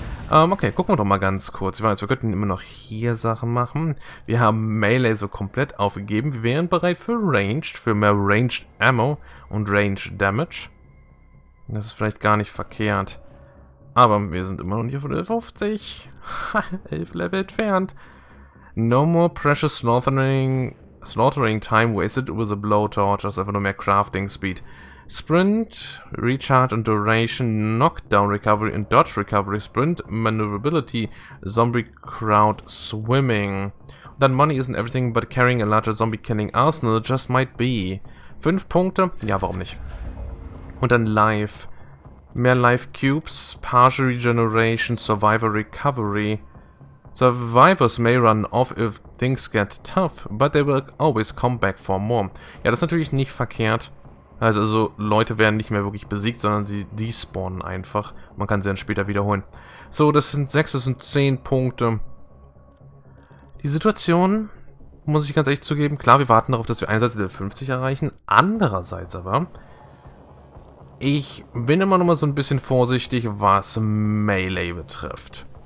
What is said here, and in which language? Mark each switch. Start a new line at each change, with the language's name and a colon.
German: Okay, gucken wir doch mal ganz kurz. Ich weiß, wir könnten immer noch hier Sachen machen. Wir haben Melee so komplett aufgegeben. Wir wären bereit für Ranged, für mehr Ranged Ammo und Ranged Damage. Das ist vielleicht gar nicht verkehrt. Aber wir sind immer noch nicht auf Level 50. 11 Level entfernt.
English: No more precious slaughtering time wasted with a blowtorch.
German: Das ist einfach nur mehr Crafting Speed. Sprint, Recharge und Duration, Knockdown Recovery und Dodge Recovery, Sprint, Maneuverability, Zombie Crowd Swimming.
English: Und dann Money isn't everything, but carrying a larger Zombie Killing Arsenal just might be.
German: 5 Punkte? Ja, warum nicht? Und dann Life. Mehr Life Cubes, Partial Regeneration, Survivor Recovery.
English: Survivors may run off if things get tough, but they will always come back for more.
German: Ja, das ist natürlich nicht verkehrt. Also Leute werden nicht mehr wirklich besiegt, sondern sie despawnen einfach. Man kann sie dann später wiederholen. So, das sind 6, das sind 10 Punkte. Die Situation, muss ich ganz ehrlich zugeben, klar, wir warten darauf, dass wir einerseits Level 50 erreichen. Andererseits aber, ich bin immer noch mal so ein bisschen vorsichtig, was Melee betrifft.